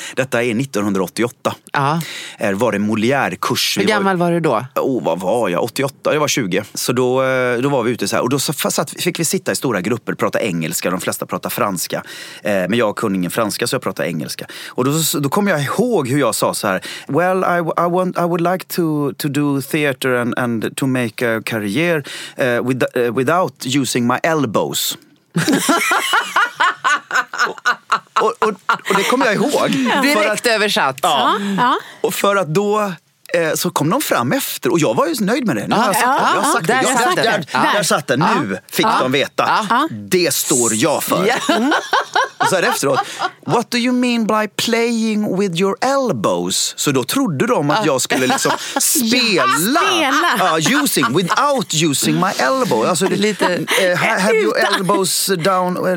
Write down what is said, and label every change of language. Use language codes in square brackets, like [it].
[sv] Detta är 1988. Var det Molière-kurs. Hur gammal var du då? Vad var jag? 88, jag var 20. Så då var vi ute så här. Och då fick vi sitta i stora grupper och prata engelska. De flesta pratade franska. Men jag kunde ingen franska, så jag pratade engelska. Och då kom jag ihåg hur jag sa så här. [en] Well, I would like to do theater and to make karriär without using my elbows. [sv] och det kommer jag ihåg. Direkt översatt. Ja. Och för att då så kom de fram efter, och jag var ju nöjd med det. Nu har jag sagt det. Där satt det. Nu fick de veta. Det står jag för. Och så här efteråt. [en] What do you mean by playing with your elbows? [sv] Så då trodde de att jag skulle liksom spela. [en] Without using my elbow. [sv] Alltså [en] have your elbows down.